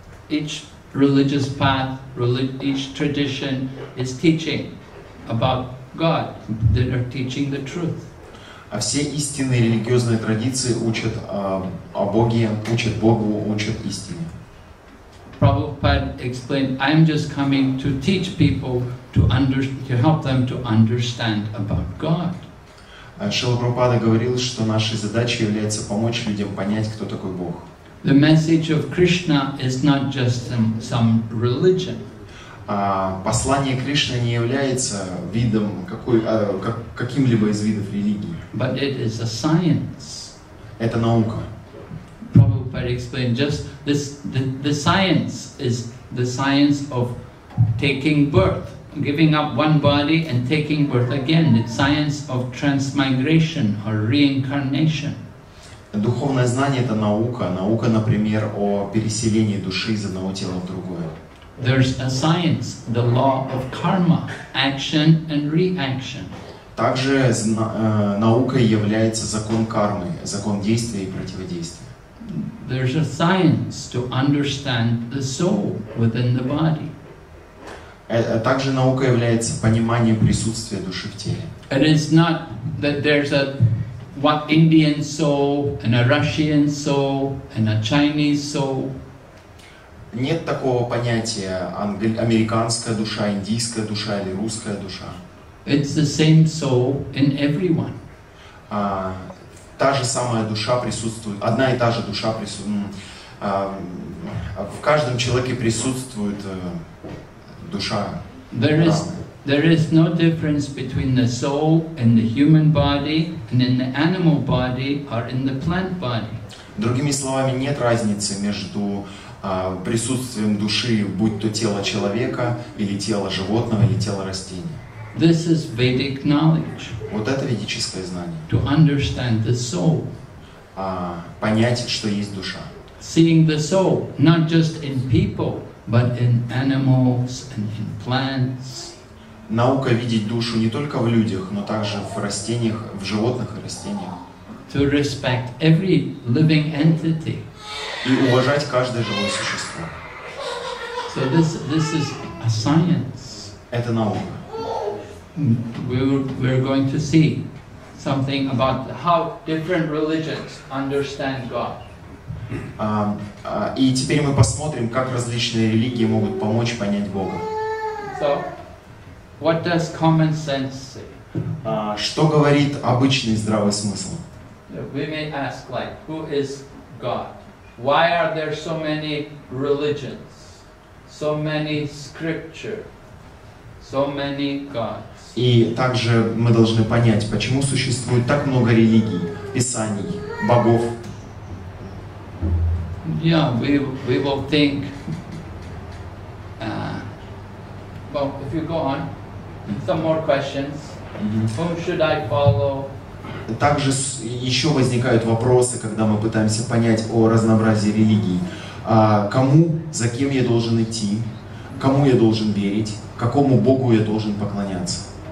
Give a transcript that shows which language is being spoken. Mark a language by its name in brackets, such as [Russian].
[English] Each religious path, each tradition is teaching about God. They are teaching the truth. [Russian] А все истинные религиозные традиции учат о Боге, учат Богу, учат истине. [English] Prabhupada explained, "I'm just coming to teach people to help them to understand about God." [Russian] Шрила Прабхупада говорил, что нашей задачей является помочь людям понять, кто такой Бог. [English] The message of Krishna is not just some religion. [Russian] Послание Кришны не является видом каким-либо из видов религии. [English] But it is a science. [Russian] Это наука. [English] Prabhupada explained just this: the science is the science of taking birth. Giving up one body and taking birth again. It's science of transmigration or reincarnation. [Russian] Духовное знание — это наука. Наука, например, о переселении души из одного тела в другое. [English] There's a science, the law of karma, action and reaction. [Russian] Также наукой является закон кармы, закон действия и противодействия. [English] There's a science to understand the soul within the body. [Russian] Также наука является пониманием присутствия души в теле. [English] It is not that there's a Indian soul and a Russian soul and a Chinese soul. [Russian] Нет такого понятия: американская душа, индийская душа или русская душа. [English] It's the same soul in everyone. [Russian] Та же самая душа присутствует, одна и та же душа присутствует. В каждом человеке присутствует душа. [English] There is no difference between the soul in the human body and in the animal body or in the plant body. [Russian] Другими словами, нет разницы между присутствием души, будь то тело человека или тело животного или тело растения. [English] This is Vedic knowledge. [Russian] Вот это ведическое знание. [English] To understand the soul. [Russian] Понять, что есть душа. [English] Seeing the soul not just in people, but in animals and in plants. [Russian] Наука видеть душу не только в людях, но также в растениях, в животных и растениях. [English] To respect every living entity. [Russian] И уважать каждое живое существо. [English] So this is a science. [Russian] Это наука. [English] We're going to see something about how different religions understand God. [Russian] И теперь мы посмотрим, как различные религии могут помочь понять Бога. [English] So, what does common sense say? [Russian] Что говорит обычный здравый смысл? [English] We may ask, like, who is God? Why are there so many religions? so many scripture, so many gods. [Russian] И также мы должны понять, почему существует так много религий, писаний, богов. [English] Yeah, we will think. Well, if you go on, some more questions. Whom should I follow? [Russian] Также еще возникают вопросы, когда мы пытаемся понять о разнообразии религий. Кому, за кем я должен идти? Кому я должен верить? Какому Богу я должен поклоняться?